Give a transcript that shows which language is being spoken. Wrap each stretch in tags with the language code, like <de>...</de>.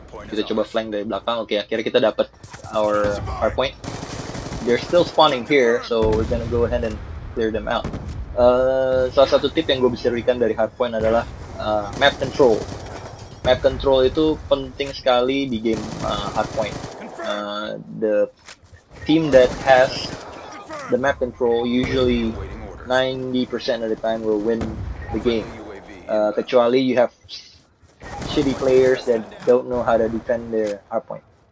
<id>Kita coba flank dari belakang. Oke, akhirnya kita dapat</id> <en>our hardpoint. They're still spawning here, so we're gonna go ahead and clear them out.</en> <id>Salah satu tip yang gue bisa berikan dari hardpoint adalah map control. Map control itu penting sekali di game hardpoint.</id> <en>The team that has the map control usually 90% of the time will win the game.</en> <id>Kecuali</id> <en>you have shitty players that don't know how to defend their hardpoint.</en>